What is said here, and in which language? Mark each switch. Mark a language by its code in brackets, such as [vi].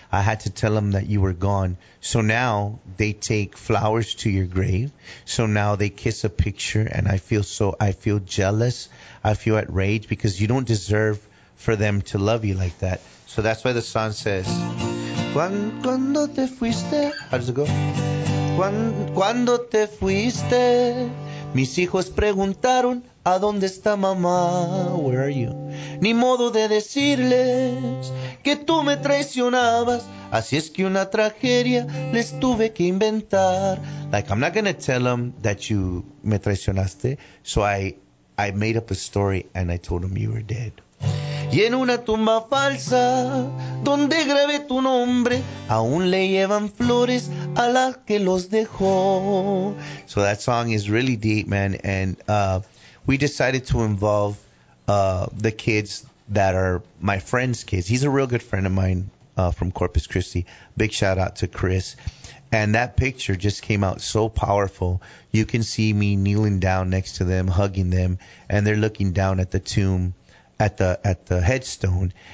[en] I had to tell them that you were gone. So now they take flowers to your grave. So now they kiss a picture, and I feel jealous. I feel at rage because you don't deserve for them to love you like that. So that's why the song says, [es] cuando te fuiste, [en] how does it go? [es] Cuando te fuiste, mis hijos preguntaron, ¿a dónde está mamá? [en] Where are you? [es] Ni modo de decirles que tú me traicionabas. Así es que una tragedia les tuve que inventar. [en] Like, I'm not going to tell them that you [es] me traicionaste. [en] So I made up a story and I told them you were dead. [es] Y en una tumba falsa donde grabé tu nombre, aún le llevan flores a la que los dejó. [en] So that song is really deep, man. And we decided to involve the kids that are my friend's kids. He's a real good friend of mine from Corpus Christi. Big shout out to Chris. And that picture just came out so powerful. You can see me kneeling down next to them, hugging them, and they're looking down at the tomb, at the headstone.